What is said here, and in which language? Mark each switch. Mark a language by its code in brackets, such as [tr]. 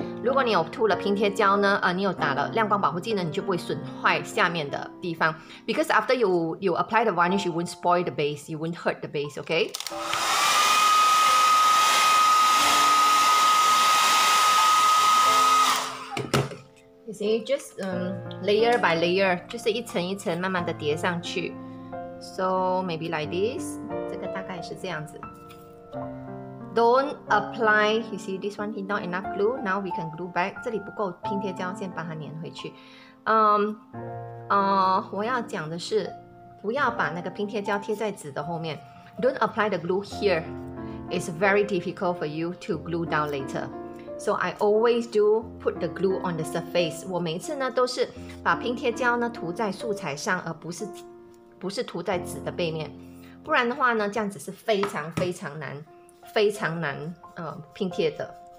[zh] 如果你有涂了拼贴胶呢，你有打了亮光保护剂呢，你就不会损坏下面的地方。 [en] Because after you apply the varnish, you won't spoil the base, you won't hurt the base, okay？ [zh] 你 [en] see, just layer by layer， [zh] 就是一层一层慢慢的叠上去。 [en] So maybe like this， [zh] 这个大概是这样子。 [en] Don't apply. You see this one is not enough glue. Now we can glue back. [zh] 这里不够拼贴胶，先把它粘回去。我要讲的是，不要把那个拼贴胶贴在纸的后面。 [en] Don't apply the glue here. It's very difficult for you to glue down later. So I always do put the glue on the surface. [zh] 我每次呢都是把拼贴胶呢涂在素材上，而不是涂在纸的背面。不然的话呢，这样子是非常非常难。非常难拼贴的。